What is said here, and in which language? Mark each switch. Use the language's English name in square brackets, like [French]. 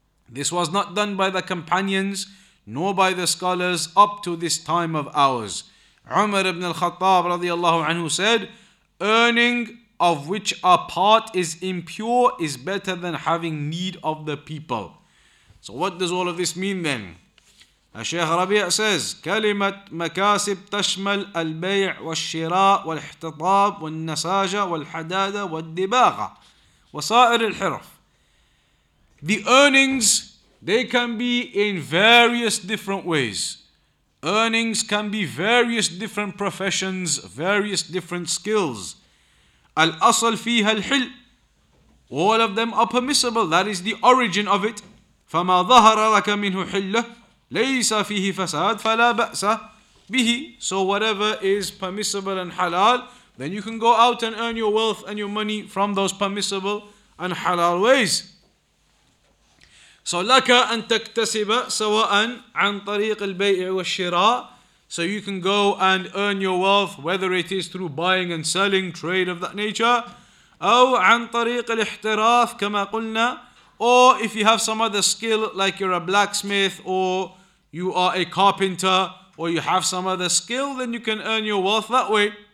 [English] This was not done by the companions, nor by the scholars up to this time of ours. Umar ibn al-Khattab radiallahu anhu said, earning of which a part is impure is better than having need of the people. So what does all of this mean then? [Arabic] الشيخ ربيع [English] says [Arabic] كلمة مكاسب تشمل البيع والشراء والاحتطاب والنساجة والحدادة والدباغة وسائر الحرف. [English] The earnings, they can be in various different ways. Earnings can be various different professions, various different skills. [Arabic] الأصل فيها الحل. [English] All of them are permissible. That is the origin of it. [Arabic] فما ظهر لك منه حلة ليس فيه فساد فلا بأس به. [English] So whatever is permissible and halal, then you can go out and earn your wealth and your money from those permissible and halal ways. So [Arabic] لك أن تكتسب سواء عن طريق البيع والشراء. [English] So you can go and earn your wealth, whether it is through buying and selling, trade of that nature, [Arabic] أو عن طريق الاحتراف كما قلنا, [English] or if you have some other skill, like you're a blacksmith or you are a carpenter, or you have some other skill, then you can earn your wealth that way.